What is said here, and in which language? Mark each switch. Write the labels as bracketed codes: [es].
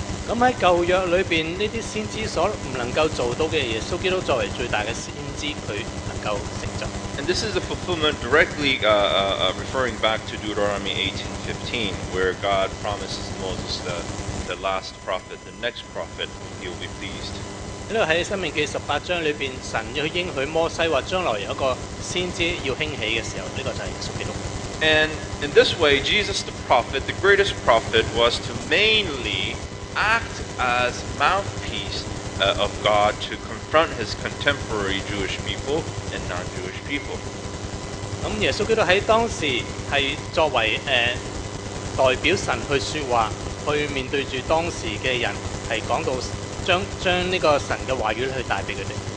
[yue] 咁喺舊約裏邊，呢啲先知所唔能夠做到嘅，耶穌基督作為最大嘅先知，佢能夠成就。 [en] And this is a fulfillment directly referring back to Deuteronomy 18:15, where God promises Moses the last prophet, the next prophet, he will be pleased. [yue] 呢度喺《生命記》十八章裏邊，神要應許摩西話，將來有一個先知要興起嘅時候，呢個就係耶穌基督。 [en] And in this way, Jesus the prophet, the greatest prophet, was to mainly act as mouthpiece of God to confront his contemporary Jewish people and non-Jewish people. [yue] 咁耶穌基督喺當時係作為代表神去説話，去面對住當時嘅人，係講到將呢個神嘅話語去帶俾佢哋。